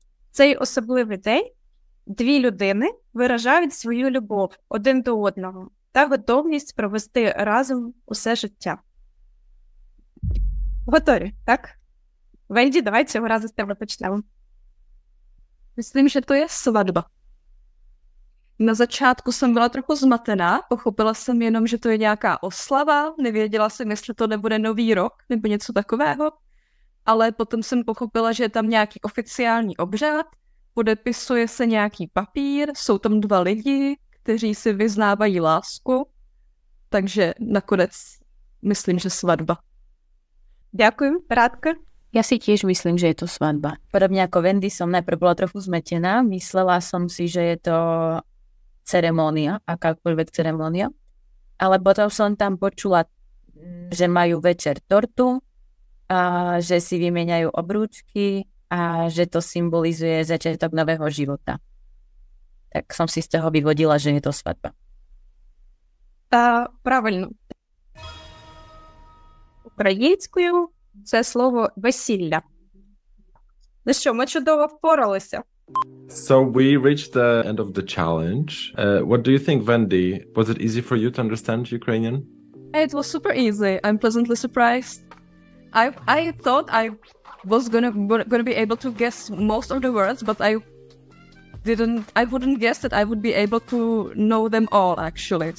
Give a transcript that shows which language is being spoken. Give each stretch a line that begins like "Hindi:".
Ukrainian: Цей особливий день дві людини виражають свою любов один до одного та готовність провести разом усе життя. Готові, так? Венді, давай цього разу з тебе почнемо.
Czech: Myslím, že to je svatba. Na začátku jsem byla trochu zmatená, pochopila jsem jenom, že to je nějaká oslava, nevěděla jsem, jestli to nebude nový rok nebo něco takového, ale potom jsem pochopila, že je tam nějaký oficiální obřad, podepisuje se nějaký papír, jsou tam dva lidi, kteří si vyznávají lásku, takže nakonec myslím, že svatba. Děkuji, Radka.
Slovak: Ja si tiež myslím, že je to svadba. Podobne ako Vendy som najprv bola trochu zmetená. Myslela som si, že je to ceremónia, akákoľvek ceremónia. Ale potom som tam počula, že majú večer tortu, a že si vymieňajú obrúčky a že to symbolizuje začiatok nového života. Tak som si z toho vyvodila, že je to svadba.
Ukrainian: Pravilno. Ukrajinskou це слово весілля. Ну що, ми чудово впоралися.
English: So we reached the end of the challenge. What do you think, Vendy? Was it easy for you to understand Ukrainian? It was super easy. I'm pleasantly surprised. I thought I was gonna be able to guess most of the words, but I wouldn't guess that I would be able to know them all, actually.